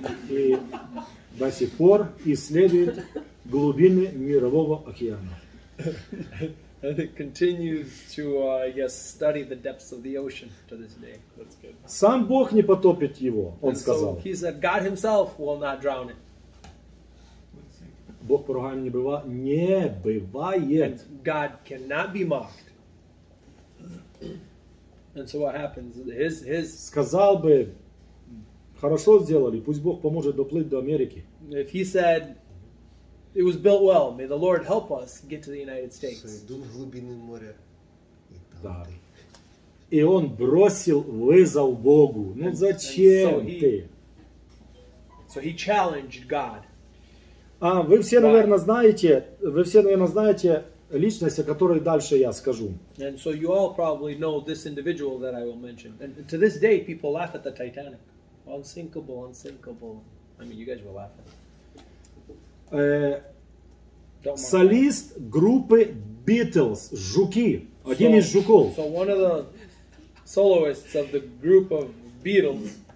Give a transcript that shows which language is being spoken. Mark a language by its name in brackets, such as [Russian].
[Russian] И до сих пор исследует глубины мирового океана. [English] And it continues to, I guess, study the depths of the ocean to this day. That's good. [Russian] Сам Бог не потопит его, он [English] and [Russian] сказал. [English] So he said, God himself will not drown it. [Russian] Бог поругаем не бывает. Не бывает. [English] And God cannot be mocked. And so what happens? His... [Russian] Сказал бы, хорошо сделали, пусть Бог поможет доплыть до Америки. [English] If he said... It was built well. May the Lord help us get to the United States. [Russian] Сойду в глубины моря, и там ты. И он бросил вызов Богу. Ну зачем ты? [English] So he challenged God. [Russian] А вы все, наверное, знаете, личность, о которой дальше я скажу. [English] And so you all probably know this individual that I will mention. And to this day, people laugh at the Titanic. Unsinkable, unsinkable. I mean, you guys will laugh at it. [Russian] Солист группы Beatles, жуки, один из жуков. [English] So one of the soloists of the group of Beatles.